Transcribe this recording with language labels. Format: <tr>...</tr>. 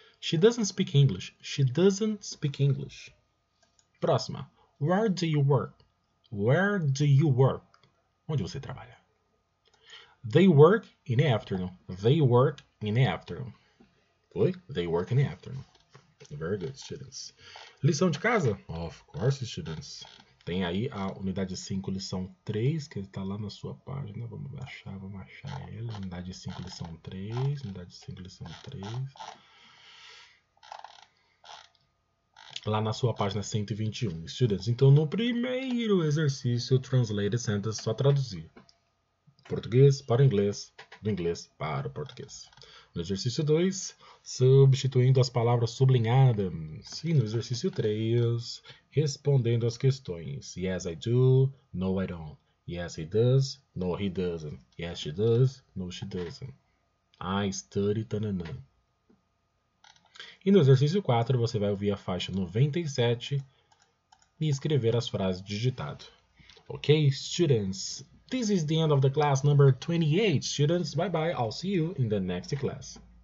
<en>She doesn't speak English. She doesn't speak English. Próxima. Where do you work? Where do you work?</en> <pt>Onde você trabalha?</pt> <en>They work in the afternoon. They work in the afternoon.</en> <pt>Foi?</pt> <en>They work in the afternoon. Very good, students.</en> <pt>Lição de casa?</pt> <en>Of course, students.</en> <pt>Tem aí a unidade 5, lição 3, que está lá na sua página. Vamos achar ela. Unidade 5, lição 3. Unidade 5, lição 3. Lá na sua página 121. Students, então no primeiro exercício,</pt> <en>translate sentence,</en> <pt>só traduzir. Português para inglês, do inglês para o português. No exercício 2, substituindo as palavras sublinhadas. E no exercício 3, respondendo as questões.</pt> <en>Yes, I do. No, I don't. Yes, he does. No, he doesn't. Yes, she does. No, she doesn't. I study. Tananã.</en> <pt>E no exercício 4, você vai ouvir a faixa 97 e escrever as frases digitado.</pt> <en>Ok, students? This is the end of the class number 28. Students, bye bye. I'll see you in the next class.</en>